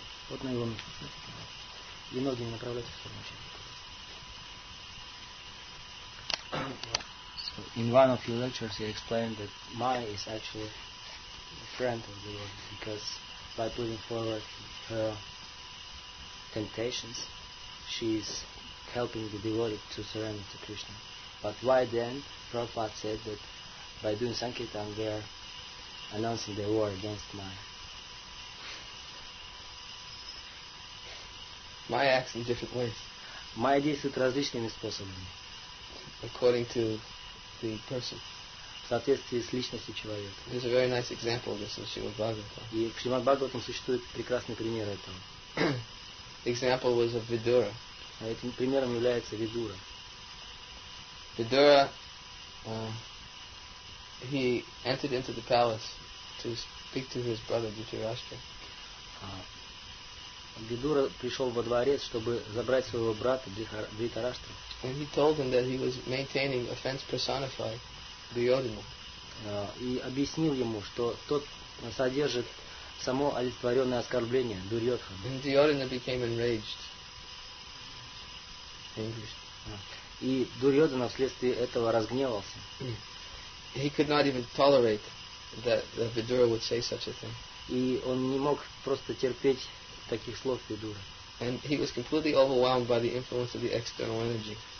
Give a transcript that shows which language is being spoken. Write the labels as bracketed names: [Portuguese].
[Russian] Вот на его место. И ноги не направляйте в сторону человека. [English] In one of your lectures you explained that Maya is actually a friend of the Lord because by putting forward her temptations she is helping the devotee to surrender to Krishna. But why then Prabhupada said that by doing Sankirtan they are announcing their war against Maya? Maya acts in different ways. [Russian] Maya действует различными способами. [English] According to the person. [Russian] В соответствии с личностью человека. [English] There's a very nice example of this in Srimad Bhagavatam. [Russian] И в Шримад Бхагаватам существует прекрасный пример этого. [English] Example was of Vidura. [Russian] А этим примером является Видура. [English] Vidura, he entered into the palace to speak to his brother Dhritarashtra. [Russian] Видура пришел во дворец, чтобы забрать своего брата Дхритарашту. [English] And he told him that he was maintaining offense personified Duryodhana. [Russian] И объяснил ему, что тот содержит само олицетворенное оскорбление Дурьодхану. [English] And Duryodhana became enraged. English. [Russian] И Дурьодхана вследствие этого разгневался. [English] He could not even tolerate that Vidura would say such a thing. [Russian] И он не мог просто терпеть таких слов Видуры. [English] And he was completely overwhelmed by the influence of the external energy.